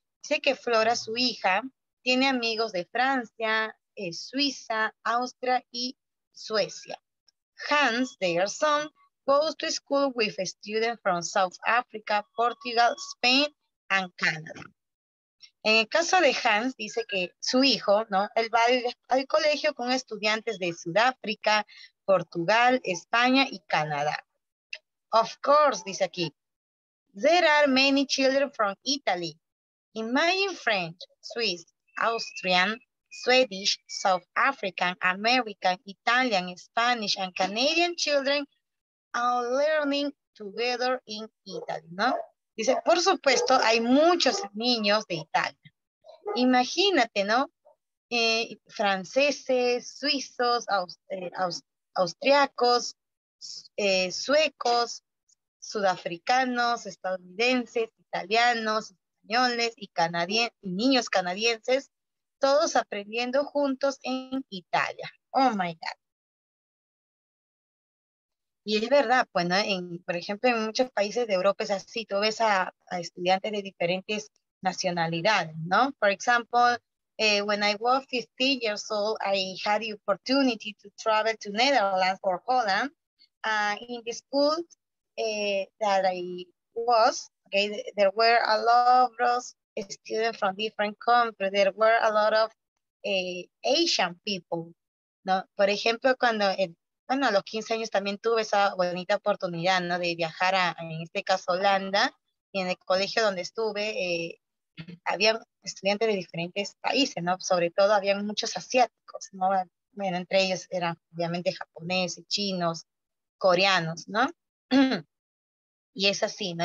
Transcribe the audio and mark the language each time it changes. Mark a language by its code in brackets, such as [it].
[es] Dice que Flora, su hija, tiene amigos de Francia, Suiza, Austria y Suecia. [en] Hans, their son, goes to school with students from South Africa, Portugal, Spain, and Canada. [es] En el caso de Hans, dice que su hijo, ¿no? Él va al colegio con estudiantes de Sudáfrica, Portugal, España y Canadá. [en] Of course, [es] dice aquí, [en] there are many children from Italy. Imagine French, Swiss, Austrian, Swedish, South African, American, Italian, Spanish, and Canadian children are learning together in Italy, [es] ¿no? Dice, por supuesto, hay muchos niños de Italia. Imagínate, ¿no? Franceses, suizos, austriacos, suecos, sudafricanos, estadounidenses, italianos, españoles y niños canadienses, todos aprendiendo juntos en Italia. [en] Oh my God. [es] Y es verdad, bueno, por ejemplo, en muchos países de Europa es así, tú ves a estudiantes de diferentes nacionalidades, ¿no? [en] For example, when I was 15 years old, I had the opportunity to travel to Netherlands or Holland. In the school that I was, okay, there were a lot of students from different countries. There were a lot of Asian people, [es] ¿no? Por ejemplo, a los 15 años también tuve esa bonita oportunidad, ¿no? De viajar en este caso, Holanda, y en el colegio donde estuve, había estudiantes de diferentes países, ¿no? Sobre todo, había muchos asiáticos, ¿no? Bueno, entre ellos eran, obviamente, japoneses, chinos, coreanos, ¿no? Y es así, ¿no?